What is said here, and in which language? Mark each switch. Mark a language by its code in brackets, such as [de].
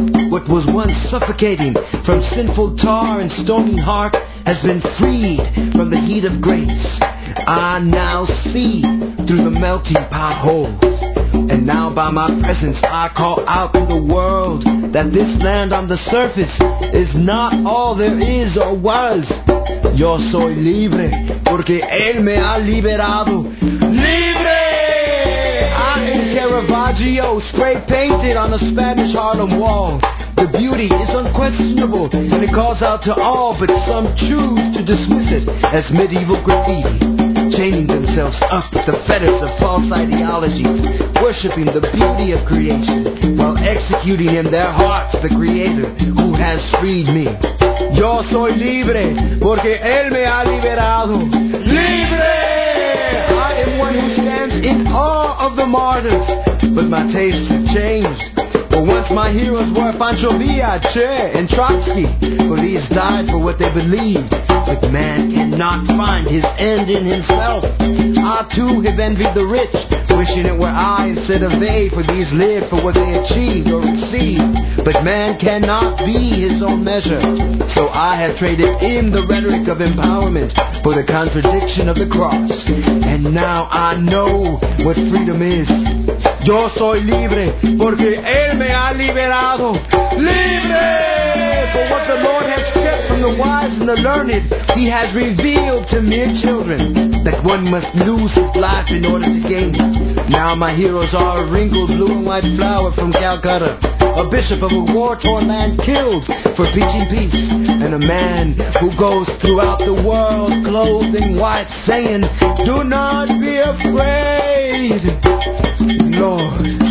[en] What was once suffocating from sinful tar and stony heart has been freed from the heat of grace. I now see through the melting pot holes. And now by my presence I call out to the world that this land on the surface is not all there is or was. [es] Yo soy libre, porque él me ha liberado. Libre! [en] I am Caravaggio, spray painted on a Spanish Harlem wall. The beauty is unquestionable, and it calls out to all, but some choose to dismiss it as medieval graffiti, chaining themselves up with the fetters of false ideologies, worshipping the beauty of creation, while executing in their hearts the Creator who has freed me. [es] Yo soy libre, porque él me ha liberado. Libre! [en] I am one who stands in awe of the martyrs, but my tastes have changed. For once my heroes were Pancho Villa, Che, and Trotsky. For these died for what they believed. But man cannot find his end in himself. I too have envied the rich, wishing it were I instead of they. For these live for what they achieved or received. But man cannot be his own measure. So I have traded in the rhetoric of empowerment for the contradiction of the cross. And now I know what freedom is. [es] Yo soy libre, porque él me ha liberado. Libre! [en] For what the Lord has kept from the the wise and the learned, he has revealed to mere children that one must lose his life in order to gain it. Now my heroes are a wrinkled blue and white flower from Calcutta, a bishop of a war-torn land killed for preaching peace, and a man who goes throughout the world clothed in white saying, do not be afraid, Lord.